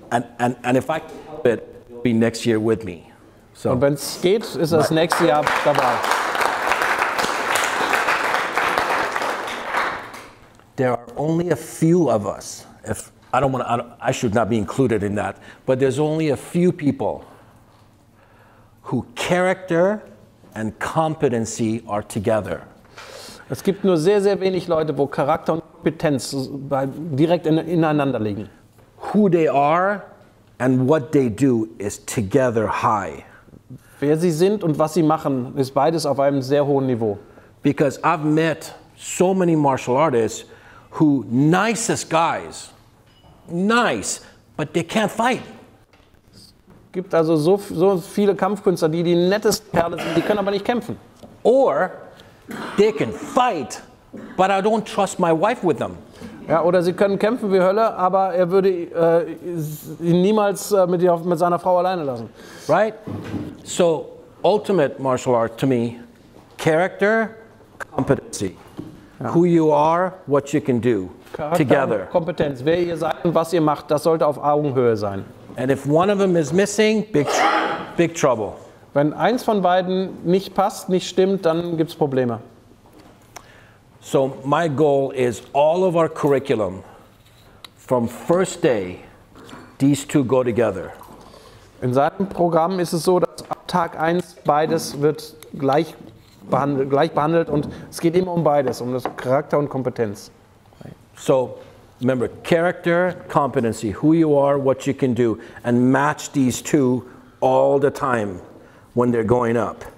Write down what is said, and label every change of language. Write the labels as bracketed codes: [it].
[en] And if I can help it, it'll be next year with me. So. [de] Und wenn es geht, ist das nächste Jahr dabei. [en] There are only a few of us. If I don't want to, I should not be included in that. But there's only a few people who character and competency are together. [de] Es gibt nur sehr, sehr wenig Leute, wo Charakter und Kompetenz direkt ineinander liegen. [en] Who they are and what they do is together high. [de] Wer sie sind und was sie machen, ist beides auf einem sehr hohen Niveau. [en] Because I've met so many martial artists who nicest guys, nice, but they can't fight. [de] Es gibt also so viele Kampfkünstler, die nettesten Perle sind, die können aber nicht kämpfen. [en] Or they can fight, but I don't trust my wife with them. [de] Ja, oder sie können kämpfen wie Hölle, aber er würde ihn niemals mit seiner Frau alleine lassen. [en] Right? So, ultimate martial art to me, character, competency. Who you are, what you can do, [de] Charakter, [en] together. [de] Kompetenz, wer ihr seid und was ihr macht, das sollte auf Augenhöhe sein. [en] And if one of them is missing, big trouble. [de] Wenn eins von beiden nicht passt, nicht stimmt, dann gibt's Probleme. [en] So my goal is all of our curriculum, from first day, these two go together. [de] In seinem Programm ist es so, dass ab Tag 1 beides wird gleich behandelt und es geht immer um beides, um das Charakter und Kompetenz. [en] So, remember, character, competency, who you are, what you can do, and match these two all the time when they're going up.